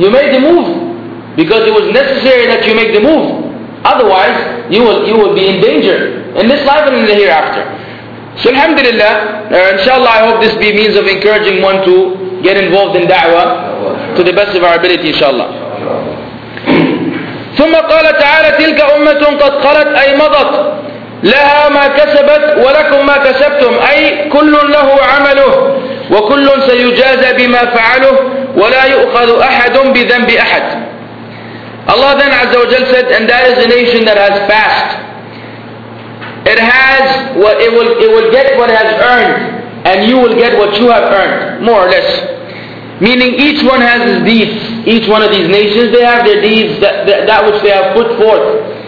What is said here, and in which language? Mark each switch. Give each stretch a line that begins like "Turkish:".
English: You made the move. Because it was necessary that you make the move. Otherwise, you will be in danger. In this life and in the hereafter. So alhamdulillah, inshallah, I hope this be means of encouraging one to get involved in da'wah to the best of our ability, inshallah.
Arabic: ثم قال تعالى تلك أمة قد خلت أي مضت لها ما كسبت ولكم ما كسبتم أي كل له عمله وكل سيجازى بما فعله ولا يؤخذ أحد بذنب أحد.
English: Allah then Azza wa Jalla said, and that is a nation that has passed. It has what it will get what it has earned, and you will get what you have earned, more or less. Meaning each one has his deeds. Each one of these nations, they have their deeds, that which they have put forth.